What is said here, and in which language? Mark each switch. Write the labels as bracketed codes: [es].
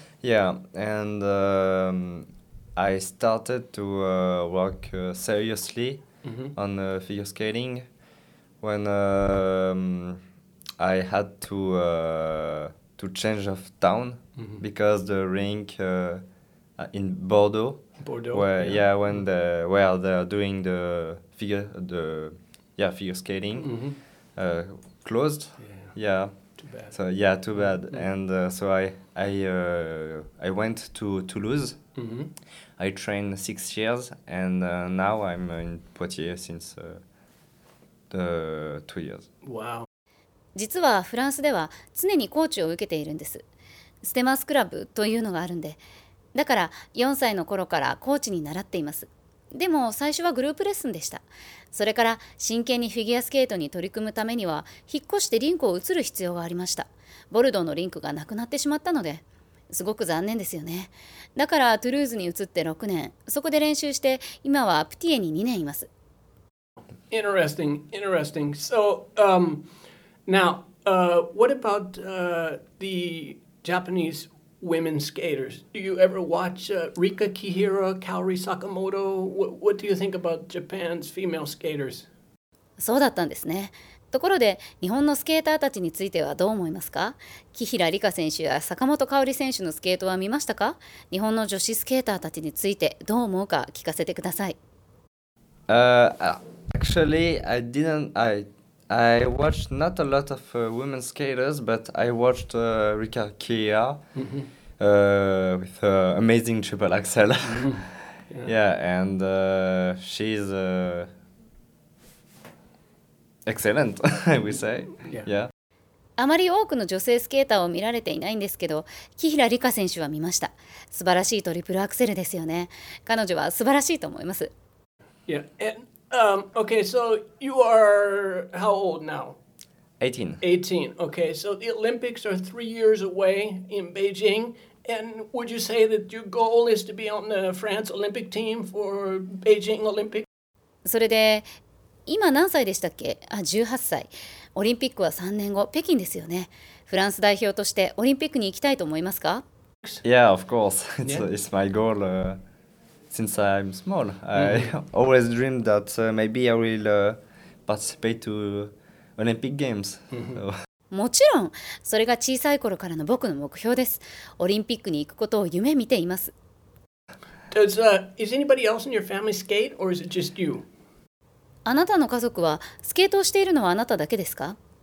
[en] Yeah, and I started to work seriously on figure skating when I had to change of town because the rink in Bordeaux, where they are doing the figure skating, closed. Yeah. Too bad. Mm-hmm. And so I went to Toulouse. Mm-hmm. I trained 6 years, and now I'm in Poitiers since the 2 years. Wow. [ja] 実はフランスでは常にコーチを受けているんです。ステマスクラブというのがあるんで、だから4歳の頃からコーチに習っています。でも最初はグループレッスンでした。それから真剣にフィギュアスケートに取り組むためには引っ越してリンクを移る必要がありました。ボルドーのリンクがなくなってしまったのですごく残念ですよね。だからトゥルーズに移って6年、そこで練習して今はプティエに2年います。 [en] Interesting. So, now, what about the Japanese women's skaters? Do you ever watch Rika Kihira, Kaori Sakamoto? What do you think about Japan's female skaters? [ja] そうだったんですね。ところで、日本のスケーターたちについてはどう思いますか？キヒラ・リカ選手や坂本香織選手のスケートは見ましたか？日本の女子スケーターたちについてどう思うか聞かせてください。 [en] Actually, I watched not a lot of women skaters, but I watched Rika Kihira with her amazing triple axel. and she's excellent, I would say. [ja] あまり多くの女性スケーターを見られていないんですけど、紀平梨花選手は見ました。素晴らしいトリプルアクセルですよね。彼女は素晴らしいと思います。 [en] Yeah. Okay, so you are how old now? 18. 18. Okay, so the Olympics are 3 years away in Beijing. And would you say that your goal is to be on the France Olympic team for Beijing Olympics? [ja] それで、今何歳でしたっけ？あ、18歳。オリンピックは3年後、北京ですよね。フランス代表としてオリンピックに行きたいと思いますか？ [en] Yeah, of course. It's my goal. Since I'm small, I always dreamed that maybe I will participate to Olympic Games. [ja] もちろん、それが小さい頃からの僕の目標です。オリンピックに行くことを夢見ています。 [en] Is anybody else in your family skate, or is it just you? [ja] あなたの家族はスケートをしているのはあなただけですか？